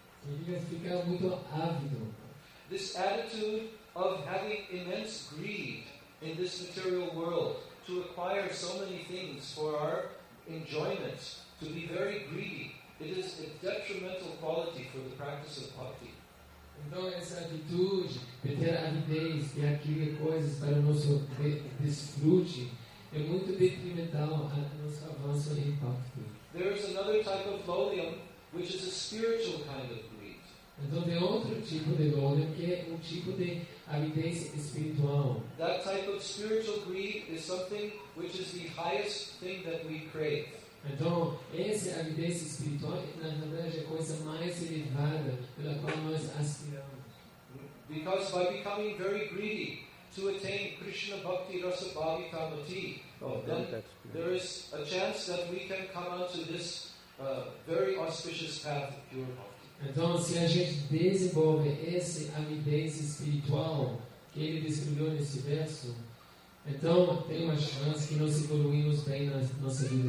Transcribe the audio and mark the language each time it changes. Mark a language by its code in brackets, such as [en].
[pt] Significa ficar muito ávido. [en] This attitude of having immense greed in this material world to acquire so many things for our enjoyments, to be very greedy, it is a detrimental quality for the practice of bhakti. [pt] Então essa atitude de ter avidez e adquirir coisas para o nosso desfrute é muito detrimental ao nosso avanço em bhakti. [en] There is another type of lolium, which is a spiritual kind of greed. [pt] Então tem outro tipo de lolium que é tipo de avidez espiritual. [en] That type of spiritual greed is something which is the highest thing that we crave. [pt] Então, essa avidez espiritual, na verdade, é a coisa mais elevada pela qual nós aspiramos. [en] Because by becoming very greedy to attain Krishna Bhakti Rasa Bhavita Mati, there is a chance that we can come onto this very auspicious path of pure bhakti. [pt] Então, se a gente desenvolve essa avidez espiritual que ele descreveu nesse verso, então, tem uma chance que nós evoluímos bem na nossa vida